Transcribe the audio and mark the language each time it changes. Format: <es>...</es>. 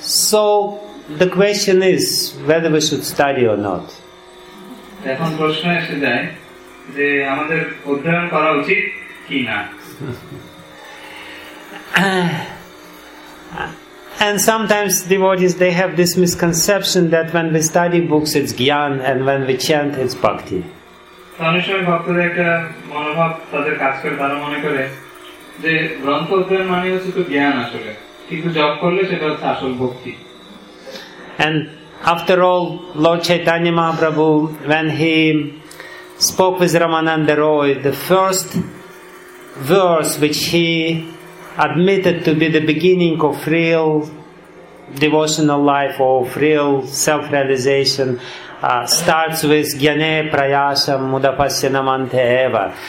<en>So, the question is whether we should study or not.</en> <bn>এখন প্রশ্ন এসে যায় যে আমাদের অধ্যয়ন করা উচিত কি না.</bn> <en>And sometimes devotees, they have this misconception that when we study books it's gyan and when we chant it's bhakti.</en> <bn>অনেকসময় ভক্তদের একটা মনোভাব তাদের কাজ করে, তারা মনে করে যে গ্রন্থ অধ্যয়ন মানে হচ্ছে তো জ্ঞান আসলে, কিন্তু জপ করলে সেটা হচ্ছে আসল ভক্তি.</bn> <en>And after all, Lord Chaitanya Mahaprabhu, when he spoke with Ramananda Roy, the first verse which he admitted to be the beginning of real devotional life, of real self-realization, starts with</en> <sa>Gyane Prayasam Mudapasyanamante Eva.</sa>